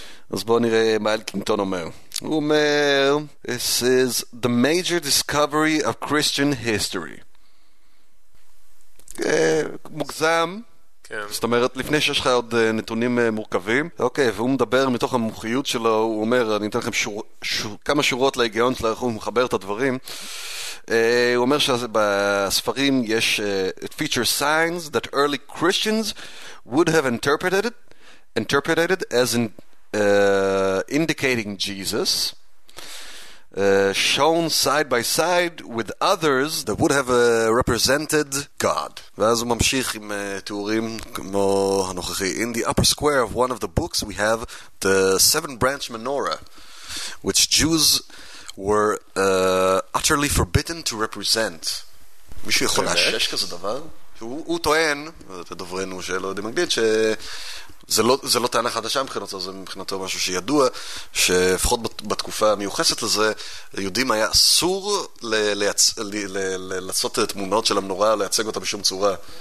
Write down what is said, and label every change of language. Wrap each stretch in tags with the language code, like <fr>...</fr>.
<he>אז בואו נראה מה אלקינגטון אומר. הוא אומר,</he> <en>this is the major discovery of Christian history.</en> <he>מוגזם. כן. זאת אומרת, לפני שיש לך עוד נתונים מורכבים. אוקיי, והוא מדבר מתוך המוחיות שלו, הוא אומר, אני אתן לכם כמה שורות להיגיון שלה, איך הוא מחבר את הדברים. הוא אומר שבספרים יש,</he> <en>it features signs that early Christians would have interpreted as in indicating Jesus, shown side by side with others that would have represented God.</en> <he>ואז הוא ממשיך עם תיאורים כמו הנוכחי.</he> <en>In the upper square of one of the books we have the seven branch menorah, which Jews were utterly forbidden to represent.</en> <he>מישהו יכול להשש כזה דבר? הוא טוען, את הדוברנו שלא יודעים מגדיד, ש... זה לא טענה חדשה מבחינתו, זה מבחינתו משהו שידוע, שפחות בתקופה המיוחסת לזה, יהודים היה אסור לעשות תמונות של המנורה, לייצג אותה בשום צורה.</he>